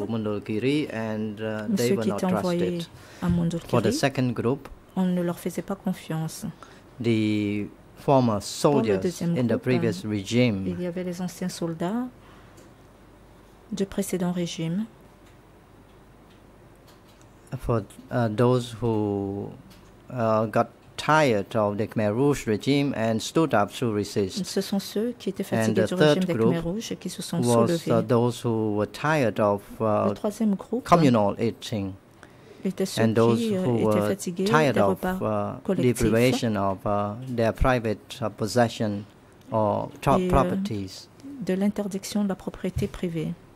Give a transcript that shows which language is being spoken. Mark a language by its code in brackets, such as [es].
[en] To Mundulkiri and they were not trusted. [fr] À Mundulkiri. [en] For the second group, [fr] on ne leur faisait pas confiance. [en] The former soldiers in the previous regime. [fr] Il y avait les anciens soldats du précédent régime. [en] For those who got tired of the Khmer Rouge regime and stood up to resist. [fr] Ce sont ceux qui étaient fatigués du régime des Khmer Rouge et qui se sont soulevés. [en] And the third group was those who were tired of communal eating. And those who were tired of deprivation of their private possession or properties. [fr] De l'interdiction de la propriété privée.